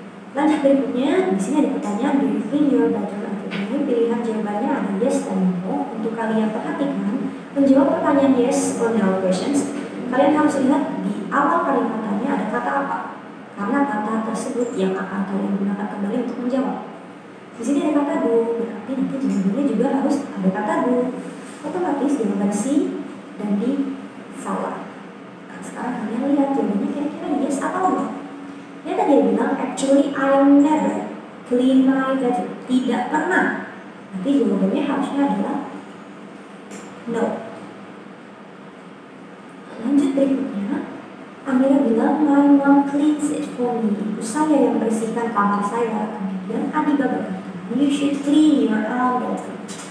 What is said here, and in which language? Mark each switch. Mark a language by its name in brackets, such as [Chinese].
[Indonesian] Lanjut berikutnya, di sini ada pertanyaan, [English] do you think you're better at it? [Indonesian] Pilihan jawabannya ada yes dan no. Untuk kalian perhatikan, menjawab pertanyaan yes or no questions, kalian harus lihat di awal kalimatnya ada kata apa. Karena kata tersebut yang akan kalian gunakan kembali untuk menjawab. Di sini ada kata do, berarti nanti jawabannya juga harus ada kata do. Otomatis jawaban C dan D salah. Nah, sekarang kalian lihat jawabannya kira-kira yes atau no. Dia tadi bilang, [English] actually I'm never clean my bedroom. [Indonesian] Tidak pernah. Nanti jawabannya harusnya adalah no. Lanjut berikutnya, Amira bilang, [English] my mom cleans it for me. [Indonesian] Ibu saya yang bersihkan kamar saya. Kemudian Adiba berkata, [English] you should clean your own bedroom.